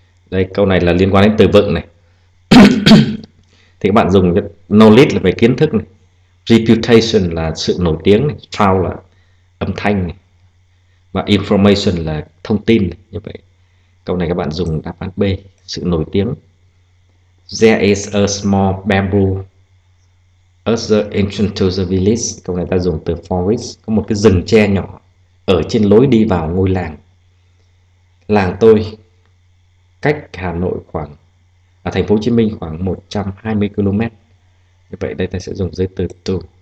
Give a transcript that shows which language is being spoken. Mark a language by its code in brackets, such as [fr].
[vi] Đây câu này là liên quan đến từ vựng này. Các bạn dùng cái knowledge là về kiến thức này. Reputation là sự nổi tiếng này. Sound là âm thanh này. Và information là thông tin này. Như vậy câu này các bạn dùng đáp án B, sự nổi tiếng. [en] There is a small bamboo at the entrance to the village. [vi] Câu này ta dùng từ forest, có một cái rừng tre nhỏ ở trên lối đi vào ngôi làng. Làng tôi cách Hà Nội khoảng ở thành phố Hồ Chí Minh khoảng 120 km. Như vậy đây ta sẽ dùng dưới từ to.